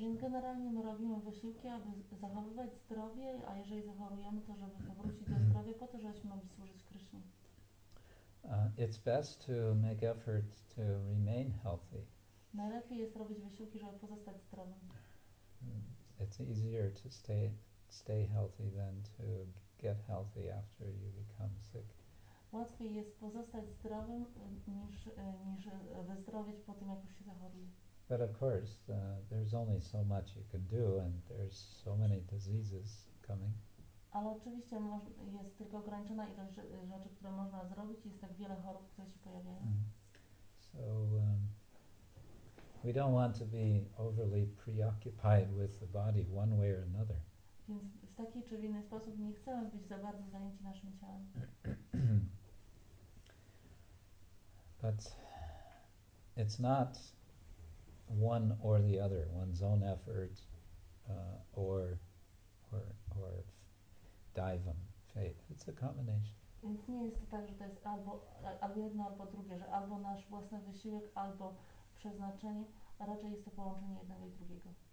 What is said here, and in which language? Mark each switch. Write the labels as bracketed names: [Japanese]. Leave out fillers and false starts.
[Polish] Więc generalnie my robimy wysiłki, aby zachowywać zdrowie, a jeżeli zachorujemy, to żeby powrócić do zdrowia, po to, żebyśmy mogli służyć Krishna. [English] It's best to make effort to remain healthy. [Polish] Najlepiej jest robić wysiłki, żeby pozostać zdrowym. [English] It's easier to stay healthy than to get healthy after you become sick. [Polish] Łatwiej jest pozostać zdrowym niż wyzdrowieć po tym, jak już się zachoruje. [English] But of course, there's only so much you can do, and there's so many diseases coming. [Polish] Ale oczywiście jest tylko ograniczona ilość rzeczy, które można zrobić, jest tak wiele chorób, które się pojawiają. [English] So we don't want to be overly preoccupied with the body one way or another. [Polish] Więc w taki czy w inny sposób nie chcemy być za bardzo zajęci naszym ciałem. [English] But it's not one or the other, one's own effort or or it's daivam, faith. It's a combination. [Polish] Więc nie jest to tak, że to jest albo jedno, albo drugie, że albo nasz własny wysiłek, albo przeznaczenie, a raczej jest to połączenie jednego i drugiego.